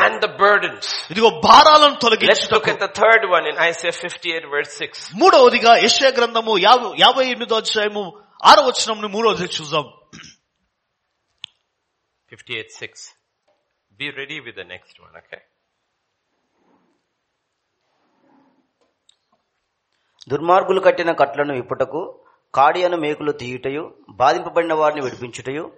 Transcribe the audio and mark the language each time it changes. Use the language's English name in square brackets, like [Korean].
[English] And the burdens. [Telugu] ఇదిగో భారాలను తొలగించుటకు. [English] Let's look at the third one in Isaiah 58 verse 6. [Telugu] మూడవదిగా యెషయా గ్రంథము 58వ అధ్యాయము ఆరో వచనం మూడో వచనం చూద్దాం [English] 58:6 be ready with the next one okay [Telugu] దుర్మార్గులు కట్టిన కట్లను విప్పుటకు కాడియను మేకులు తీయుటయు బాధింపబడిన వారిని విడిపించుటయు